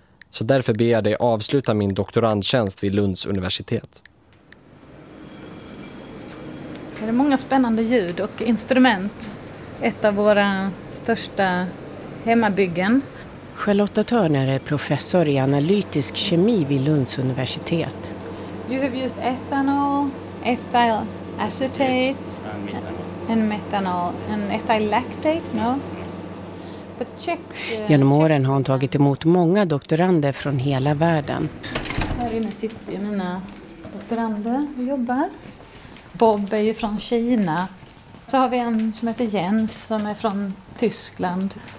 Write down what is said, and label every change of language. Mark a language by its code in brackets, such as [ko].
[sv] Så därför ber jag dig avsluta min doktorandtjänst vid Lunds universitet. Det är många spännande ljud och instrument. Ett av våra största hemmabyggen. Charlotta Törner är professor i analytisk kemi vid Lunds universitet. [en] You have used ethanol, ethyl acetate and methanol and ethyl lactate, no? But check. [sv] Genom åren har hon tagit emot många doktorander från hela världen. Här inne sitter mina doktorander och jobbar. Bob är ju från Kina. Så har vi en som heter Jens som är från Tyskland.